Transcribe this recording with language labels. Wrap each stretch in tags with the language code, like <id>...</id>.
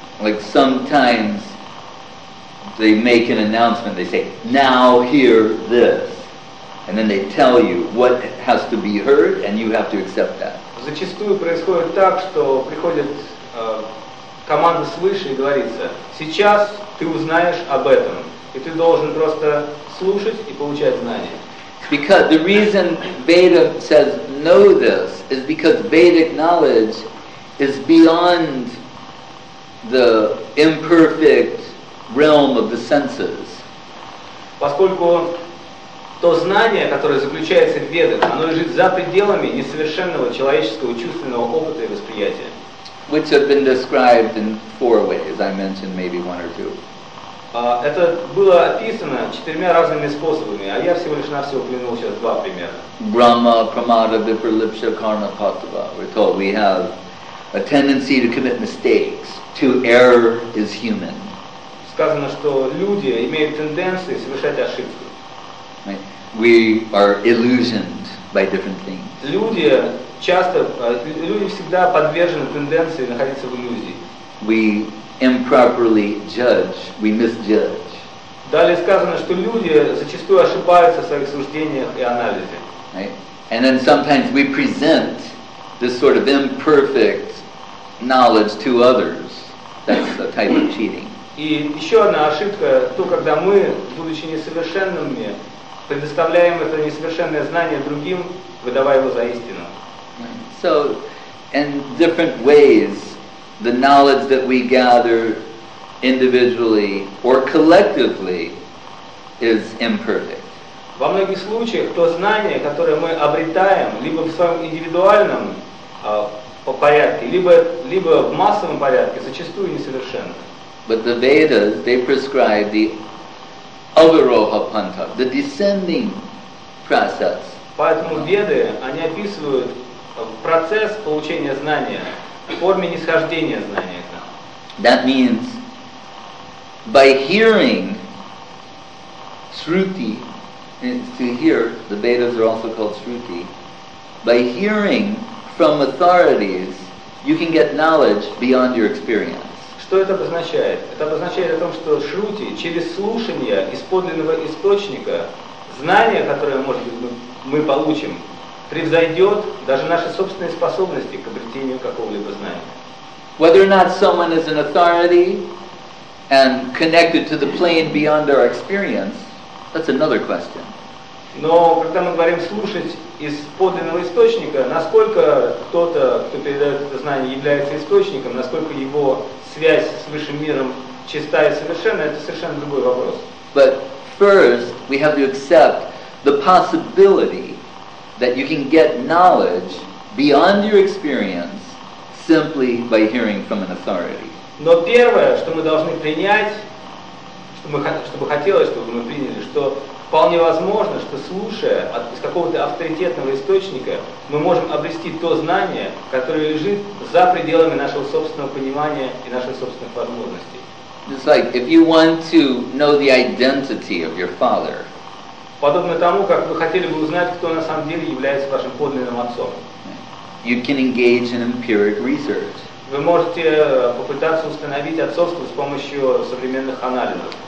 <en>Like sometimes they make an announcement, they say, now hear this. And then they tell you what has to be heard, and you have to accept that.</en> <ru>Зачастую происходит так, что приходит команда свыше и говорится, сейчас ты узнаешь об этом. И ты должен просто слушать и получать знания.</ru> <en>Because the reason Veda says know this is because Vedic knowledge is beyond the imperfect realm of the senses.</en> <ru>Поскольку то знание, которое заключается в Ведах, оно лежит за пределами несовершенного человеческого чувственного опыта и восприятия.</ru> <en>Which have been described in four ways, I mentioned maybe one or two.</en> <ru>Это было описано четырьмя разными способами, а я всего лишь навсего упомянул сейчас два примера.</ru> <sa>Brahma, Pramada, Viparlipsha, Karna, Patava.</sa> <en>We're told we have a tendency to commit mistakes. To err is human.</en> <ru>Сказано, что люди имеют тенденции совершать ошибки.</ru> <en>Right. We are illusioned by different things.</en> <ru>Люди часто, люди всегда подвержены тенденции находиться в иллюзии.</ru> <en>We improperly judge, we misjudge.</en> <ru>Далее сказано, что люди зачастую ошибаются в своих суждениях и анализе.</ru> <en>Right. And then sometimes we present this sort of imperfect knowledge to others. That's a type of cheating.</en> <ru>И еще одна ошибка, то, когда мы, будучи несовершенными, предоставляем это несовершенное знание другим, выдавая его за истину.</ru> <en>Right. So, in different ways, the knowledge that we gather individually or collectively is imperfect.</en> <ru>Во многих случаях то знание, которое мы обретаем, либо в своем индивидуальном порядке, либо в массовом порядке, зачастую несовершенно.</ru> <en>But the Vedas, they prescribe the avaroha panta, the descending process.</en> <ru>Поэтому Веды, они описывают процесс получения знания. Форме нисхождения знания.</ru> <en>That means by hearing shruti, to hear, the Vedas are also called shruti, by hearing from authorities, you can get knowledge beyond your experience.</en> <ru>Что это обозначает? Это обозначает о том, что шрути, через слушание из подлинного источника, знание, которое, может быть, мы получим, превзойдет даже наши собственные способности к обретению какого-либо знания.</ru> <en>Whether or not someone is an authority and connected to the plane beyond our experience, that's another question.</en> <ru>Но когда мы говорим слушать из подлинного источника, насколько кто-то, кто передает это знание, является источником, насколько его связь с высшим миром чиста и совершенна, это совершенно другой вопрос.</ru> <en>But first, we have to accept the possibility that you can get knowledge beyond your experience simply by hearing from an authority.</en> <ru>Но первое, что мы должны принять, чтобы хотелось, чтобы мы приняли, что вполне возможно, что слушая из какого-то авторитетного источника, мы можем обрести то знание, которое лежит за пределами нашего собственного понимания и наших собственных возможностей.</ru> <en>It's like if you want to know the identity of your father.</en> <ru>Подобно тому, как вы хотели бы узнать, кто на самом деле является вашим подлинным отцом.</ru> <en>You can engage in empiric research.</en> <ru>Вы можете попытаться установить отцовство с помощью современных анализов.</ru>